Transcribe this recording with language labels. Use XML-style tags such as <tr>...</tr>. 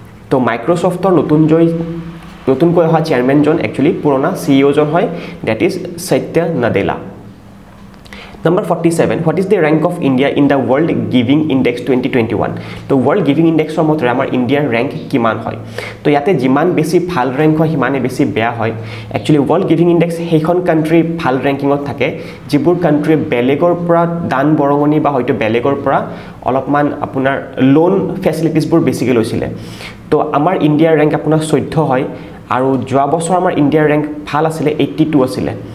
<as>তো মাইক্ৰ'ছফ্টৰ নতুনকৈ অহা চেয়াৰমেনজন একচুৱেলি পুৰণা চি ই অ'জন হয়,</as> <en>That is Satya Nadella. Number 47, what is the rank of India in the world giving index 2021?</en> <as>তো ৱৰ্ল্ড গিভিং ইণ্ডেক্সৰ মতে আমাৰ ইণ্ডিয়াৰ ৰেংক কিমান হয়? তো ইয়াতে যিমান বেছি ভাল ৰেংক হয় সিমানেই বেছি বেয়া হয়। একচুৱেলি ৱৰ্ল্ড গিভিং ইণ্ডেক্স সেইখন কাণ্ট্ৰীৰ ভাল ৰেংকিঙত থাকে যিবোৰ কাণ্ট্ৰীয়ে বেলেগৰ পৰা দান বৰঙণি বা হয়তো বেলেগৰ পৰা অলপমান আপোনাৰ লোন ফেচিলিটিছবোৰ বেছিকৈ লৈছিলে। তো আমাৰ ইণ্ডিয়াৰ ৰেংক আপোনাৰ 14 হয়, আৰু যোৱা বছৰ আমাৰ ইণ্ডিয়াৰ ৰেংক ভাল আছিলে 82 আছিলে।</as>